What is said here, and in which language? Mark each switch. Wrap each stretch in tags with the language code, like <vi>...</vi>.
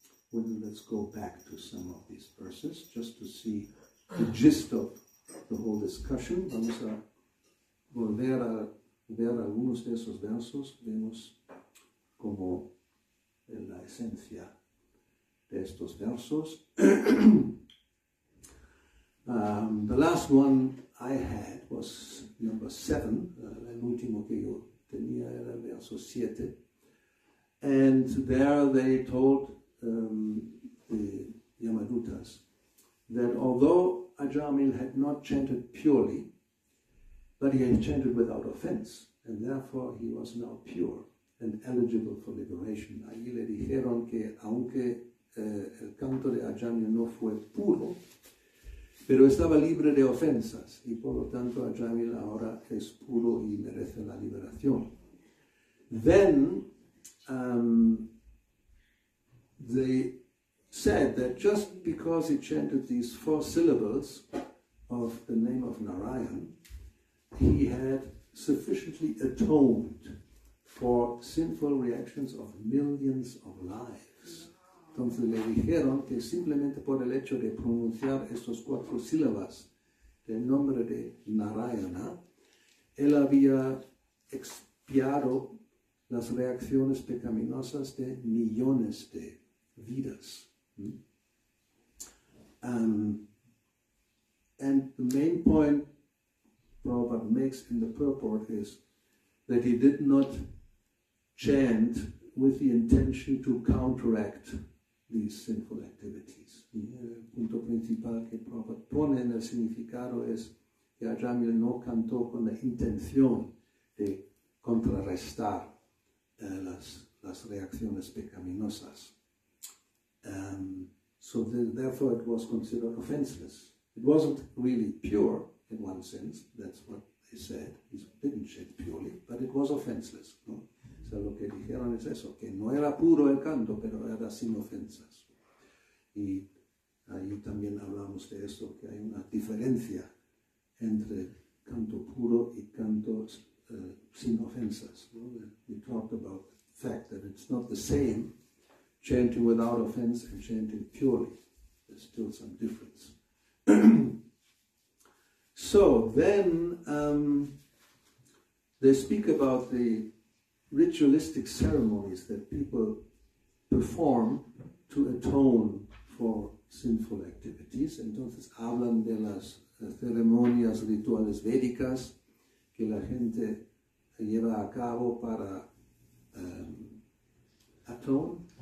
<en>Well, let's go back to some of these verses just to see the gist of the whole discussion.</en> <es>Vamos a volver a ver algunos de esos versos. Vemos como la esencia de estos versos.</es> <en>The last one I had was number 7.</en> <es>El último que yo tenía era el verso 7.</es> <en>And there they told the Yamadutas that although Ajamil had not chanted purely, but he had chanted without offense, and therefore he was now pure and eligible for liberation.</en> <es>Allí le dijeron que aunque el canto de Ajamil no fue puro, pero estaba libre de ofensas, y por lo tanto Ajamil ahora es puro y merece la liberación.</es> <en>Then they said that just because he chanted these 4 syllables of the name of Narayan, he had sufficiently atoned for sinful reactions of millions of lives.</en> <es>Entonces le dijeron que simplemente por el hecho de pronunciar estos 4 sílabas del nombre de Narayana, él había expiado las reacciones pecaminosas de millones de vidas.</es> <en>And the main point Prabhupada makes in the purport is that he did not chant with the intention to counteract these sinful activities.</en> <es>El punto principal que Prabhupada pone en el significado es que Ajamil no cantó con la intención de contrarrestar las reacciones pecaminosas.</es> <en>Therefore it was considered offenseless. It wasn't really pure in one sense, that's what they said. He didn't chant purely, but it was offenseless.</en> <es>¿No? So lo que dijeron es eso, que no era puro el canto, pero era sin ofensas. Y ahí también hablamos de eso, que hay una diferencia entre canto puro y canto sin ofensas. ¿No?</es> <en>We talked about the fact that it's not the same chanting without offense and chanting purely. There's still some difference. So then they speak about the ritualistic ceremonies that people perform to atone for sinful activities.</en> <es>Entonces hablan de las ceremonias rituales védicas que la gente lleva a cabo para atone.</es>